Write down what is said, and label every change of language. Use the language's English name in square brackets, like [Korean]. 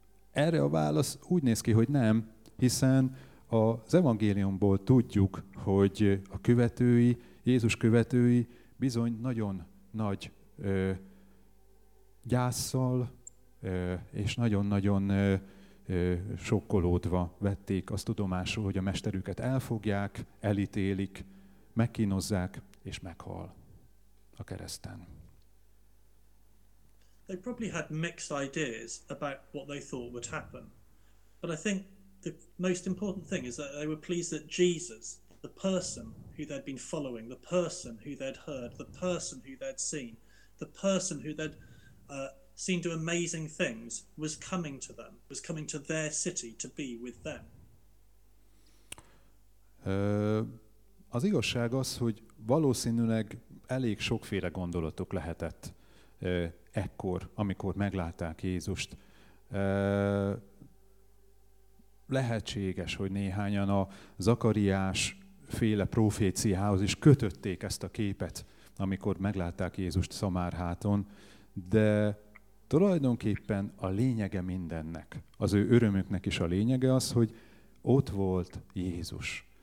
[Hungarian] Erre a válasz úgy néz ki, hogy nem, hiszen az evangéliumból tudjuk, hogy a követői, Jézus követői bizony nagyon nagy gyásszal és nagyon-nagyon sokkolódva vették azt tudomásul, hogy a mesterüket elfogják, elítélik, megkínozzák és meghal a kereszten. [English] They probably had mixed ideas about what they thought would happen. But I think the most important thing is that they were pleased that Jesus, the person who they'd been following, the person who they'd heard, the person who they'd seen, the person who they'd seen do amazing things, was coming to them, was coming to their city to be with them. [Hungarian] Az igazság az, hogy valószínűleg elég sokféle gondolatuk lehetett ekkor, amikor meglátták Jézust. Lehetséges, hogy néhányan a Zakariás féle proféciához is kötötték ezt a képet, amikor meglátták Jézust Szamárháton, de tulajdonképpen a lényege mindennek, az ő örömüknek is a lényege az, hogy ott volt Jézus.